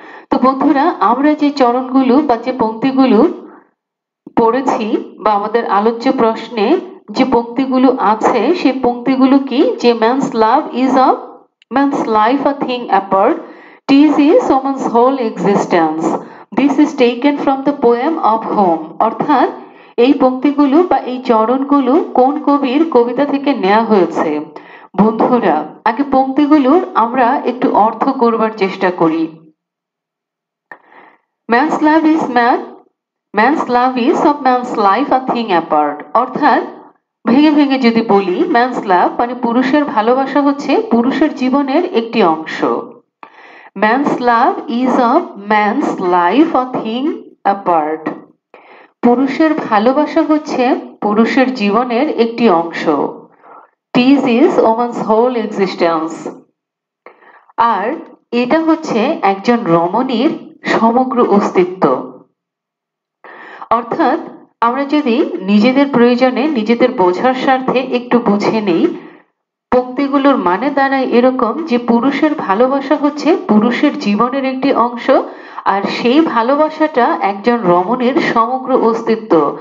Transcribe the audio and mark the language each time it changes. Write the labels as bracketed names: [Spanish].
[Bangla] তো বন্ধুরা, আমরা যে চরণগুলো বা যে পংক্তিগুলো পড়েছি বা আমাদের আলোচ্য প্রশ্নে যে পংক্তিগুলো আছে, সেই পংক্তিগুলো কি? [English] যে man's love is of man's life a thing apart, tease is woman's whole existence, This is taken from the poem of Home. [Bangla] অর্থাৎ এই পংক্তিগুলো বা এই চরণগুলো কোন কবির কবিতা থেকে নেওয়া হয়েছে? বন্ধুরা, আগে পংক্তিগুলোর আমরা একটু অর্থ করবার চেষ্টা করি। [English] Man's love is man. Man's love is of man's life a thing apart. [Bangla] অর্থাৎ ভেঙে ভেঙে যদি বলি, man's love মানে পুরুষের ভালোবাসা হচ্ছে পুরুষের জীবনের একটি অংশ। [English] Man's love is of man's life a thing apart. [Bangla] পুরুষের ভালোবাসা হচ্ছে পুরুষের জীবনের একটি অংশ। [English] This is woman's whole existence. [Bangla] আর এটা হচ্ছে একজন রমণীর সমগ্র অস্তিত্ব। অর্থাৎ আমরা যদি নিজেদের প্রয়োজনে নিজেদের বোঝার স্বার্থে একটু বুঝে নেই, পংক্তিগুলোর মানে দাঁড়ায় এরকম যে পুরুষের ভালোবাসা হচ্ছে পুরুষের জীবনের একটি অংশ, আর সেই ভালোবাসাটা একজন রমণীর সমগ্র অস্তিত্ব।